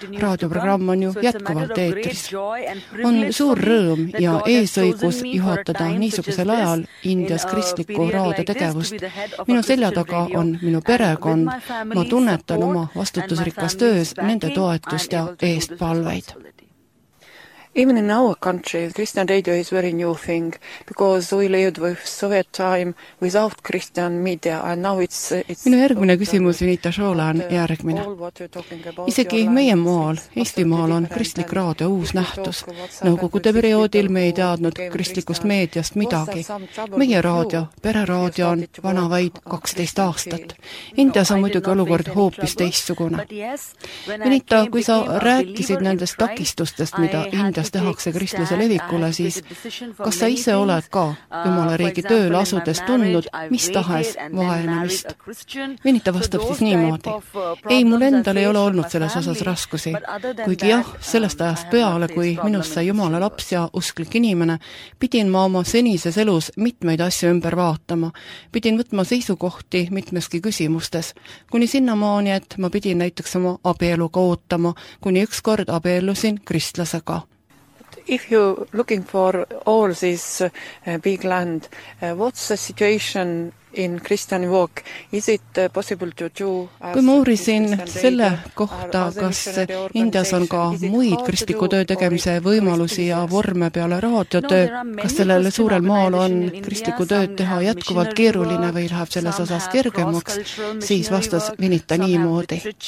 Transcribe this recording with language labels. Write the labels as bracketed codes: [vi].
[et] Raadioprogramm on ju jätkuvalt eetris. On suur rõõm ja eesõigus juhatada niisugusel ajal Indias kristliku raadio tegevust. Minu selja taga on minu perekond. Ma tunnetan oma vastutusrikas töös nende toetust ja eestpalveid. [en] Even in our country, Christian radio is very new thing, because we lived with Soviet time without Christian media, and now it's [et] minu järgmine küsimus Vinita Shaw'le on järgmine. Isegi meie maal, Eesti maal, on kristlik raadio uus nähtus. Nõukogude perioodil me ei teadnud kristlikust meediast midagi. Meie raadio, pereraadio on vana vaid 12 aastat. Indias on muidugi olukord hoopis teistsugune. Vinita, kui sa rääkisid nendest takistustest, mida Indias tehakse kristluse levikule, siis kas sa ise oled ka Jumala riigi tööle asudes tundnud, mis tahes vaenamist? Vinita vastab siis niimoodi. Ei, mul endal ei ole olnud selles osas raskusi. Kuigi jah, sellest ajast peale, kui minust sai Jumala laps ja usklik inimene, pidin ma oma senises elus mitmeid asju ümber vaatama. Pidin võtma seisukohti mitmeski küsimustes. Kuni sinna maani, et ma pidin näiteks oma abieluga ootama, kuni ükskord abielusin kristlasega. [en] If you looking for all this big land, what's the situation in Christian walk, is it possible to do [et] kui ma uurisin selle kohta, kas Indias on ka muid kristliku töö tegemise võimalusi ja vorme peale raadio töö, kas sellel suurel maal on kristliku tööd teha jätkuvalt keeruline või läheb selles osas kergemaks, siis vastas Vinita niimoodi.